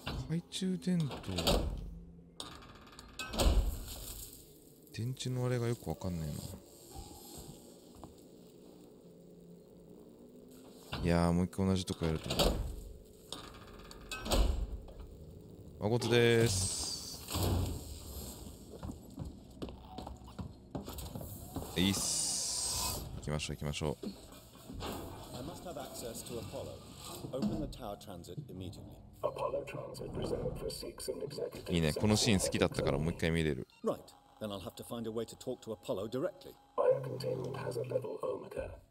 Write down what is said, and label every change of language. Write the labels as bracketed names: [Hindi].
[Japanese] 懐中電灯、電池のあれがよくわかんないな。いやー、もう一回同じとこやると思う。まことでーす。いいっす。行きましょう、行きましょう。 [English] I must have access to Apollo. Open the tower transit immediately. Apollo transit reserved for six and executive. [Japanese] いいね、このシーン好きだったからもう一回見れる。 [English] Right. Then I'll have to find a way to talk to Apollo directly. Fire containment has a level omega.